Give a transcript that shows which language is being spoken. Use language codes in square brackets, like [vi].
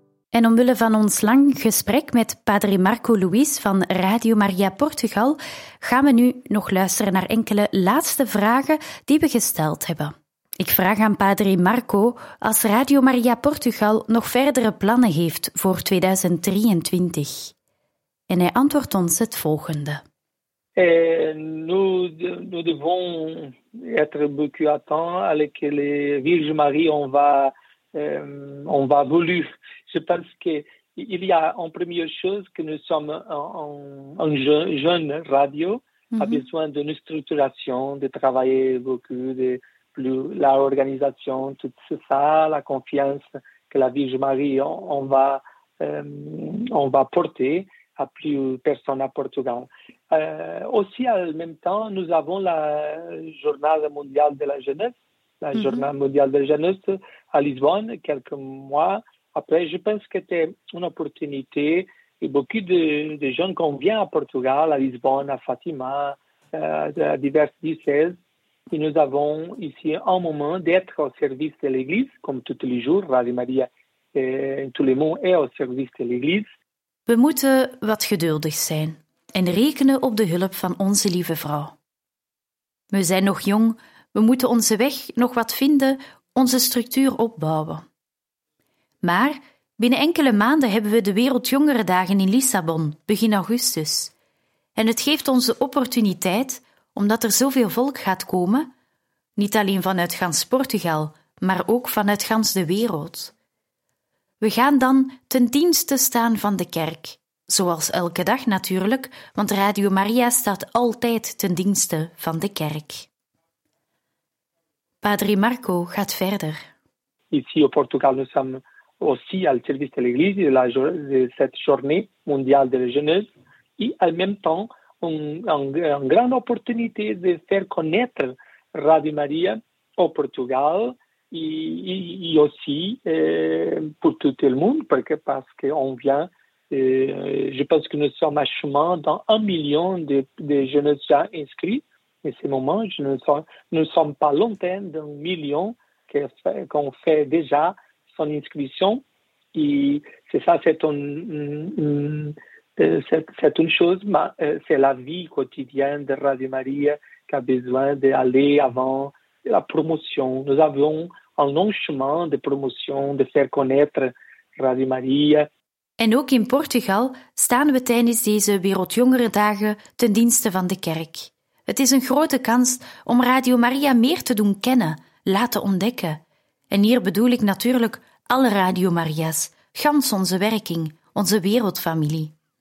[nl] En omwille van ons lang gesprek met Padre Marco Luis van Radio Maria Portugal, gaan we nu nog luisteren naar enkele laatste vragen die we gesteld hebben. Ik vraag aan Padre Marco als Radio Maria Portugal nog verdere plannen heeft voor 2023. En hij antwoordt ons het volgende. [fr] Nous devons être beaucoup attents avec les Vierge Marie, on va voler. Je pense qu'il y a en première chose que nous sommes en jeune radio, a besoin d'une structuration, de travailler beaucoup, de plus l'organisation, tout ça, la confiance que la Vierge Marie on va porter à plus personnes à Portugal. Aussi, en même temps, nous avons la Journée mondiale de la jeunesse, Journée mondiale de la jeunesse à Lisbonne, quelques mois. Après, je pense que c'était une opportunité Et beaucoup de gens qu'on vient à Portugal, à Lisbonne, à Fatima, à diverses diocèses, et nous avons ici un moment d'être au service de l'Église, comme tous les jours, Radio Maria, tout le monde est au service de l'Église. [nl] We moeten wat geduldig zijn en rekenen op de hulp van onze lieve vrouw. We zijn nog jong, we moeten onze weg nog wat vinden, onze structuur opbouwen. Maar binnen enkele maanden hebben we de Wereldjongerendagen in Lissabon, begin augustus. En het geeft ons de opportuniteit, omdat er zoveel volk gaat komen, niet alleen vanuit gans Portugal, maar ook vanuit gans de wereld. We gaan dan ten dienste staan van de kerk, zoals elke dag natuurlijk, want Radio Maria staat altijd ten dienste van de kerk. Padre Marco gaat verder. [fr] Ici au Portugal, nous sommes aussi à service de l'Église de, de cette journée mondiale de la jeunesse et en même temps une grande opportunité de faire connaître Radio Maria au Portugal. Et aussi pour tout le monde, parce qu'on vient, je pense que nous sommes à chemin dans 1 million de jeunes gens inscrits. En ce moment, nous ne sommes pas lointains d'un million qu'on fait déjà son inscription. Et c'est ça, c'est une chose, mais c'est la vie quotidienne de Radio Maria qui a besoin d'aller avant la promotion. Nous avons un long chemin de promotion, de faire connaître Radio Maria. [nl] En ook in Portugal staan we tijdens deze Wereldjongerendagen ten dienste van de kerk. Het is een grote kans om Radio Maria meer te doen kennen, laten ontdekken. En hier bedoel ik natuurlijk alle Radio Maria's, gans onze werking, onze wereldfamilie.